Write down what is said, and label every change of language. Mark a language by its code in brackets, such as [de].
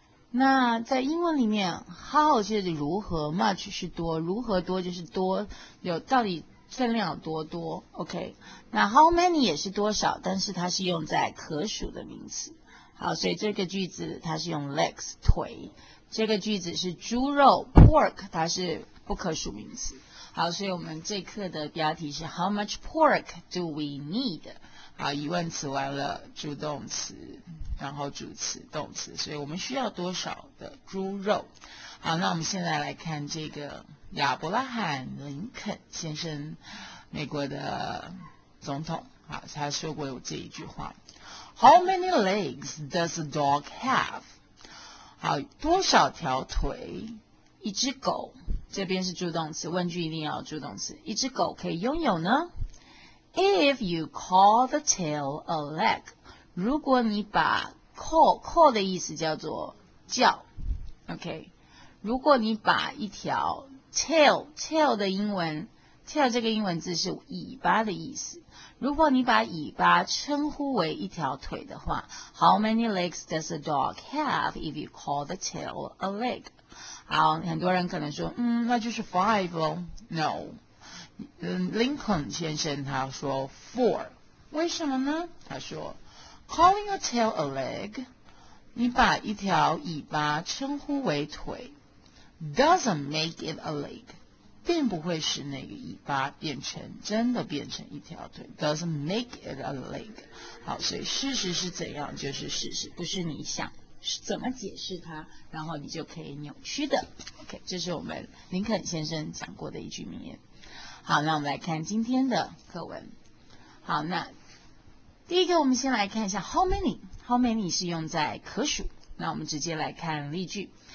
[zh] 那在英文里面 ，How 就是如何 ，Much 是多，如何多就是多，有到底分量多多。 OK。那 How many 也是多少，但是它是用在可数的名词。好，所以这个句子它是用 legs 腿，这个句子是猪肉 pork， 它是不可数名词。好，所以我们这课的标题是 [en] How much pork do we need？ [zh] 好，疑问词完了，助动词，然后主词、动词，所以我们需要多少的猪肉？好，那我们现在来看这个亚伯拉罕·林肯先生，美国的总统，好，他说过这一句话。 [en] How many legs does a dog have? [zh] 好，多少条腿一只狗，这边是助动词，问句一定要助动词，一只狗可以拥有呢？ [en] If you call the tail a leg, [zh] 如果你把 call 的意思叫做叫， OK， 如果你把一条 tail 的英文， tail 这个英文字是尾巴的意思，如果你把尾巴称呼为一条腿的话， [en] How many legs does a dog have if you call the tail a leg? [zh] 好，很多人可能说，那就是 five 咯。No， Lincoln 先生他说 four， 为什么呢？他说 [en] Calling a tail a leg， [zh] 你把一条尾巴称呼为腿， [en] doesn't make it a leg， [zh] 并不会使那个尾巴变成真的变成一条腿， doesn't make it a leg。好，所以事实是怎样就是事实，不是你想是怎么解释它然后你就可以扭曲的。 OK， 这是我们林肯先生讲过的一句名言。好，那我们来看今天的课文。好，那第一个我们先来看一下 how many， how many 是用在可数，那我们直接来看例句。